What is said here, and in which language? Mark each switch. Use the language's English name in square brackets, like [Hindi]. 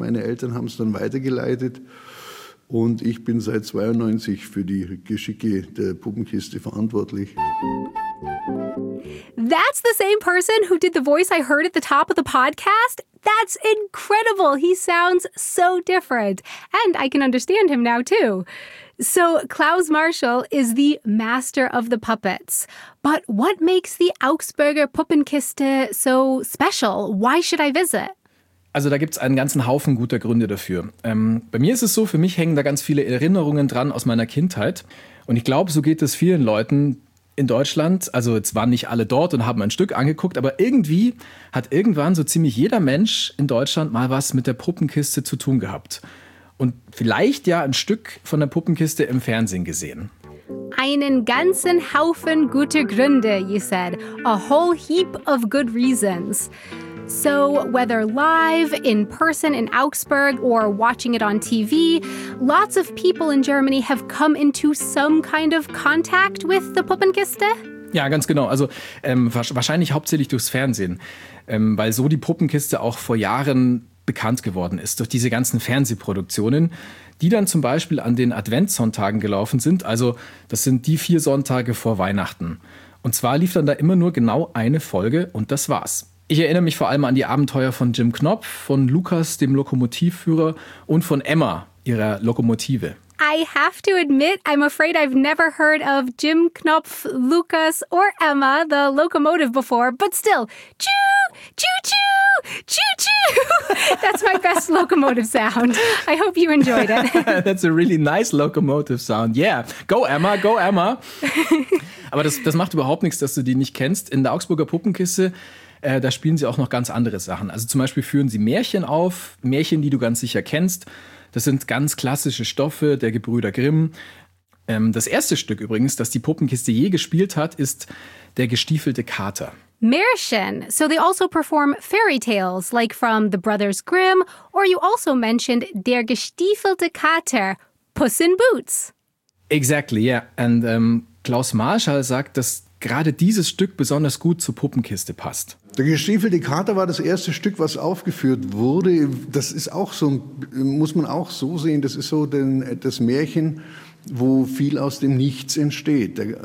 [German] Meine Eltern haben es dann weitergeleitet und ich bin seit 92 für die Geschicke der Puppenkiste verantwortlich. [English] That's the same person who did the voice I heard at the top of the podcast. That's incredible. He sounds so different. And I can understand him now, too. So Klaus Marschall is the master of the puppets. But what makes the Augsburger Puppenkiste so special? Why should I visit? [German] Also da gibt es einen ganzen Haufen guter Gründe dafür. Bei mir ist es so, für mich hängen da ganz viele Erinnerungen dran aus meiner Kindheit. Und ich glaube, so geht es vielen Leuten in Deutschland, also jetzt waren nicht alle dort und haben ein Stück angeguckt, aber irgendwie hat irgendwann so ziemlich jeder Mensch in Deutschland mal was mit der Puppenkiste zu tun gehabt. Und vielleicht ja ein Stück von der Puppenkiste im Fernsehen gesehen. Einen ganzen Haufen guter Gründe, [English] you said. A whole heap of good reasons. So, whether live, in person in Augsburg, or watching it on TV, lots of people in Germany have come into some kind of contact with the Puppenkiste? [German] Ja, ganz genau. Also wahrscheinlich hauptsächlich durchs Fernsehen, weil so die Puppenkiste auch vor Jahren bekannt geworden ist durch diese ganzen Fernsehproduktionen, die dann zum Beispiel an den Adventssonntagen gelaufen sind. Also das sind die 4 Sonntage vor Weihnachten. Und zwar lief dann da immer nur genau eine Folge und das war's. Ich erinnere mich vor allem an die Abenteuer von Jim Knopf, von Lukas, dem Lokomotivführer, und von Emma, ihrer Lokomotive. [English] I have to admit, I'm afraid I've never heard of Jim Knopf, Lukas or Emma, the locomotive before, but still, choo, choo-choo, choo-choo. That's my best locomotive sound. I hope you enjoyed it. That's a really nice locomotive sound. Yeah, go Emma, go Emma. [German] Aber das macht überhaupt nichts, dass du die nicht kennst. In der Augsburger Puppenkiste, da spielen sie auch noch ganz andere Sachen. Also zum Beispiel führen sie Märchen auf, Märchen, die du ganz sicher kennst. Das sind ganz klassische Stoffe der Gebrüder Grimm. Das erste Stück übrigens, das die Puppenkiste je gespielt hat, ist Der gestiefelte Kater. Märchen. [English] So they also perform fairy tales, like from the Brothers Grimm, or you also mentioned Der gestiefelte Kater, Puss in Boots. Exactly, yeah. [German] And Klaus Marschall sagt, dass gerade dieses Stück besonders gut zur Puppenkiste passt. Der gestiefelte Kater war das erste Stück, was aufgeführt wurde. Das ist auch so, muss man auch so sehen, das ist so das Märchen, wo viel aus dem Nichts entsteht.